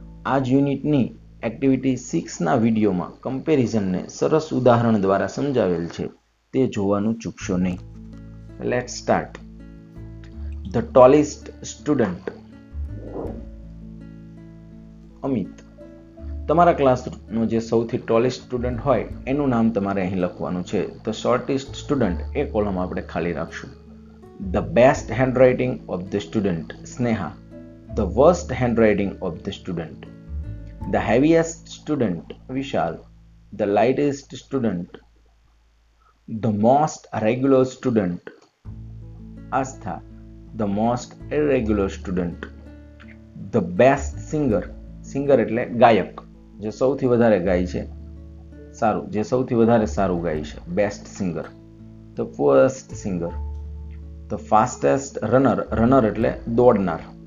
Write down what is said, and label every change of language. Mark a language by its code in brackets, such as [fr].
[gu] આ જ યુનિટની એક્ટિવિટી 6ના વિડીયોમાં કમ્પેરિઝનને સરસ ઉદાહરણ દ્વારા સમજાવેલ છે, તે જોવાનું ચૂકશો નહીં. [en] Late start. The tallest student. [gu] Amit, તમારા ક્લાસનો જે સૌથી ટોલેસ્ટ સ્ટુડન્ટ હોય એનું નામ તમારે અહીં લખવાનું છે. [en] the shortest student, [gu] A column આપણે ખાલી રાખશું. [en] The best handwriting of the student, Sneha. The worst handwriting of the student, The heaviest student, Vishal. The lightest student, The most regular student, Astha. The most irregular student, The best singer, singer [gu] એટલે ગાયક, જે સૌથી વધારે ગાય છે, સારું, જે સૌથી વધારે સારું ગાય છે. [en] Best singer, The poorest singer, The fastest runner, runner [gu] એટલે દોડનાર.